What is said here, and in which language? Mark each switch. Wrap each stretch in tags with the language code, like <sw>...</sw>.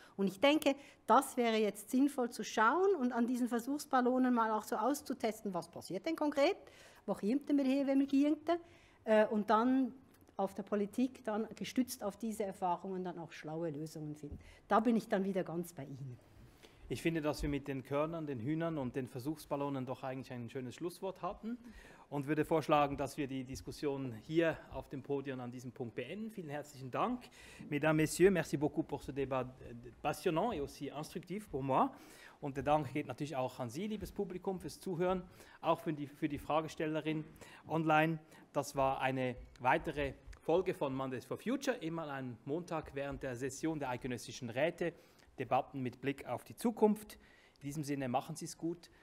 <de>Und ich denke, das wäre jetzt sinnvoll zu schauen und an diesen Versuchsballonen mal auch so auszutesten, was passiert denn konkret, wo kommt denn hier, wenn wir gehen, und dann auf der Politik, dann gestützt auf diese Erfahrungen, dann auch schlaue Lösungen finden. Da bin ich dann wieder ganz bei Ihnen. Ich finde, dass wir mit den Körnern, den Hühnern und den Versuchsballonen doch eigentlich ein schönes Schlusswort hatten und würde vorschlagen, dass wir die Diskussion hier auf dem Podium an diesem Punkt beenden. Vielen herzlichen Dank.</de> <fr>Mesdames, Messieurs, merci beaucoup pour ce débat passionnant et aussi instructif pour moi.</fr> <de>Und der Dank geht natürlich auch an Sie, liebes Publikum, fürs Zuhören, auch für die Fragestellerin online. Das war eine weitere Folge von Mondays for Future, immer am Montag während der Session der Eidgenössischen Räte. Debatten mit Blick auf die Zukunft. In diesem Sinne, machen Sie es gut.</de>